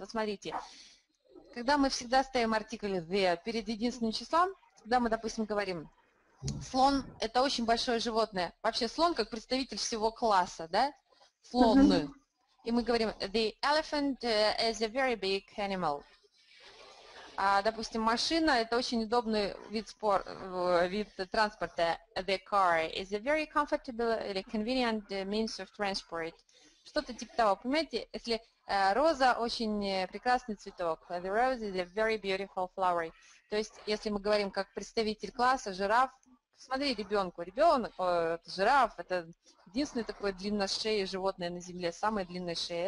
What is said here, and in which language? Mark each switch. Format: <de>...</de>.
<ru>Вот смотрите, когда мы всегда ставим артикль the перед единственным числом, когда мы, допустим, говорим, слон – это очень большое животное. Вообще слон как представитель всего класса, да? Слон. И мы говорим,</ru> <en>the elephant is a very big animal.</en> <ru>А, допустим, машина – это очень удобный вид транспорта.</ru> <en>The car is a very comfortable and convenient means of transport.</en> <ru>Что-то типа того, понимаете? Если роза – очень прекрасный цветок.</ru> <en>The rose is a very beautiful flower.</en> <ru>То есть, если мы говорим как представитель класса, жираф, смотри, ребенку, ребенок, жираф – это единственное такое длинношее животное на Земле, самое длинное шея.</ru>